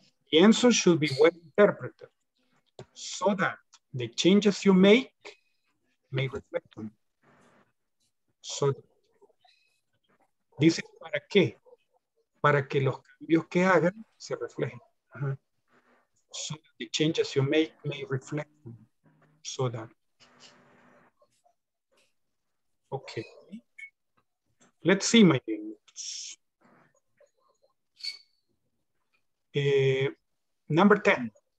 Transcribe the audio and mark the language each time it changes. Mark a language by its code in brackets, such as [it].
[en] The answer should be well interpreted so that the changes you make may reflect them. So this is [es] para qué? Para que los cambios que hagan se reflejen. [en] So that the changes you make may reflect them. So that. Okay. Let's see my notes. Number 10.